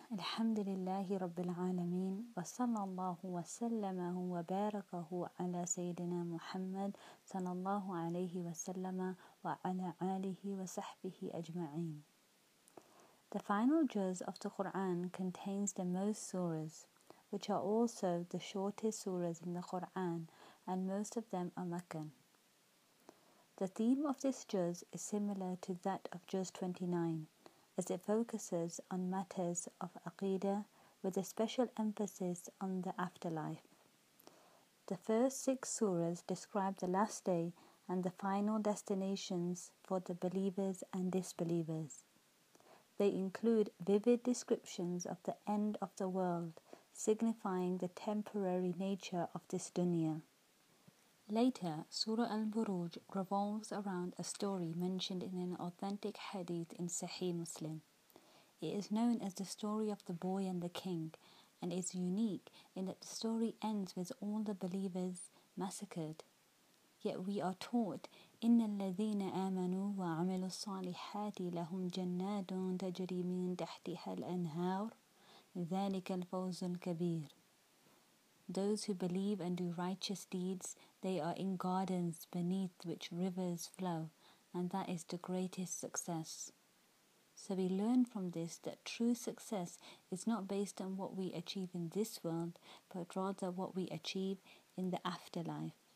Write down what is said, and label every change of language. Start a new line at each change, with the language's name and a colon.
Arabic: الحمد لله رب العالمين، وصلى الله وسلم وبارك على سيدنا محمد صلى الله عليه وسلم وعلى آله وصحبه أجمعين.
English: The final juz of the Quran contains the most surahs, which are also the shortest surahs in the Quran, and most of them are Meccan. The theme of this juz is similar to that of juz 29, as it focuses on matters of aqidah with a special emphasis on the afterlife. The first six surahs describe the last day and the final destinations for the believers and disbelievers. They include vivid descriptions of the end of the world, signifying the temporary nature of this dunya. Later, Surah Al-Buruj revolves around a story mentioned in an authentic hadith in Sahih Muslim. It is known as the story of the boy and the king, and is unique in that the story ends with all the believers massacred. Yet we are taught,
Arabic: إِنَّ الَّذِينَ آمَنُوا وَعَمِلُوا الصَّالِحَاتِ لَهُمْ جَنَّاتٌ تَجْرِي مِنْ تَحْتِهَا الْأَنْهَارُ ذَلِكَ الْفَوْزُ الْكَبِيرُ.
English: Those who believe and do righteous deeds, they are in gardens beneath which rivers flow, and that is the greatest success. So we learn from this that true success is not based on what we achieve in this world, but rather what we achieve in the afterlife.